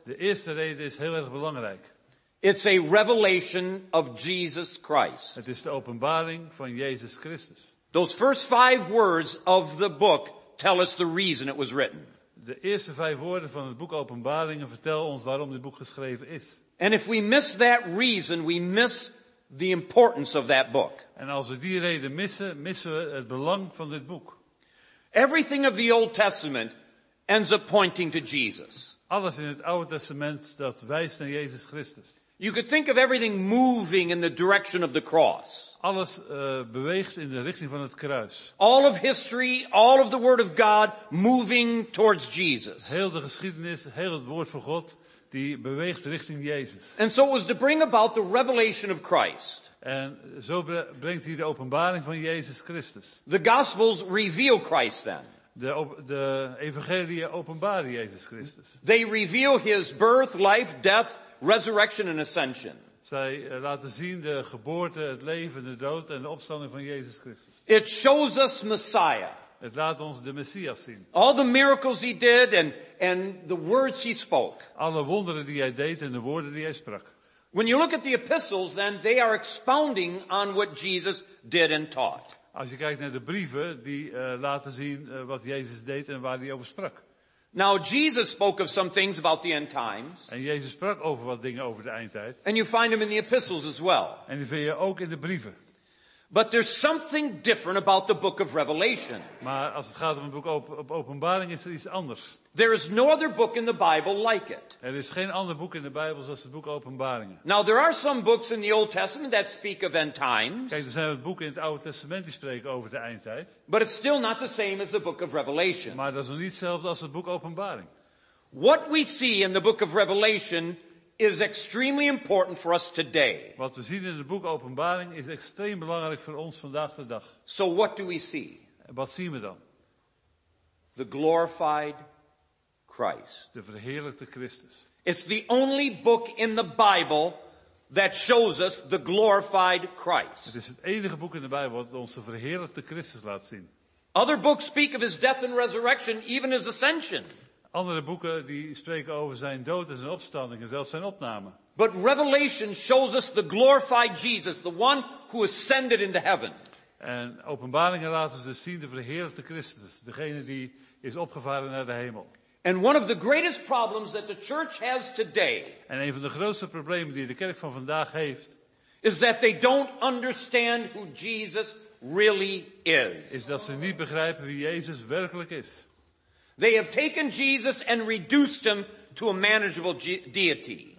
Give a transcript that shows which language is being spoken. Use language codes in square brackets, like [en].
[nl] De eerste reden is heel erg belangrijk. [en] It's a revelation of Jesus Christ. [nl] Het is de openbaring van Jezus Christus. [en] Those first five words of the book tell us the reason it was written. [nl] De eerste vijf woorden van het boek Openbaringen vertellen ons waarom dit boek geschreven is. [en] And if we miss that reason, we miss the importance of that book. [nl] En als we die reden missen, missen we het belang van dit boek. [en] Everything of the Old Testament ends up pointing to Jesus. [nl] Alles in het Oude Testament dat wijst naar Jezus Christus. [en] You could think of everything moving in the direction of the cross. [nl] Alles beweegt in de richting van het kruis. [en] All of history, all of the word of God moving towards Jesus. [nl] Heel de geschiedenis, heel het woord van God die beweegt richting Jezus. [en] And so it was to bring about the revelation of Christ. [nl] En zo brengt hij de openbaring van Jezus Christus. [en] The Gospels reveal Christ then. [nl] De evangelie openbaren Jezus Christus. [en] They reveal his birth, life, death, resurrection and ascension. [nl] Zij laten zien de geboorte, het leven, de dood en de opstanding van Jezus Christus. [en] It shows us Messiah. [nl] Het laat ons de Messias zien. [en] All the miracles he did and the words he spoke. [nl] Alle wonderen die hij deed en de woorden die hij sprak. [en] When you look at the epistles, then they are expounding on what Jesus did and taught. [nl] Als je kijkt naar de brieven, die laten zien wat Jezus deed en waar hij over sprak. [en] Now Jesus spoke of some things about the end times. [nl] En Jezus sprak over wat dingen over de eindtijd. [en] And you find them in the epistles as well. [nl] En die vind je ook in de brieven. [en] But there's something different about the book of Revelation. [nl] Maar als het gaat om het boek Openbaring is er iets anders. [en] There is no other book in the Bible like it. [nl] Er is geen ander boek in de Bijbel zoals het boek Openbaringen. [en] Now there are some books in the Old Testament that speak of end times. [nl] Kijk, er zijn wat boeken in het Oude Testament die spreken over de eindtijd. [en] But it's still not the same as the book of Revelation. [nl] Maar dat is nog niet hetzelfde als het boek Openbaring. [en] What we see in the book of Revelation is extremely important for us today. [nl] Wat we zien in het boek Openbaring is extreem belangrijk voor ons vandaag de dag. [en] So what do we see? [nl] Wat zien we dan? [en] The glorified Christ. [nl] De verheerlijkte Christus. [en] It's the only book in the Bible that shows us the glorified Christ. [nl] Het is het enige boek in de Bijbel wat ons de verheerlijkte Christus laat zien. [en] Other books speak of his death and resurrection, even his ascension. [nl] Andere boeken die spreken over zijn dood en zijn opstanding en zelfs zijn opname. [en] But Revelation shows us the glorified Jesus, the one who ascended into heaven. [nl] En Openbaringen laat ons dus zien de verheerlijkte Christus, degene die is opgevaren naar de hemel. [en] And one of the greatest problems that the church has today. [nl] En een van de grootste problemen die de kerk van vandaag heeft [en] is that they don't understand who Jesus really is. [nl] Is dat ze niet begrijpen wie Jezus werkelijk is. [en] They have taken Jesus and reduced him to a manageable deity.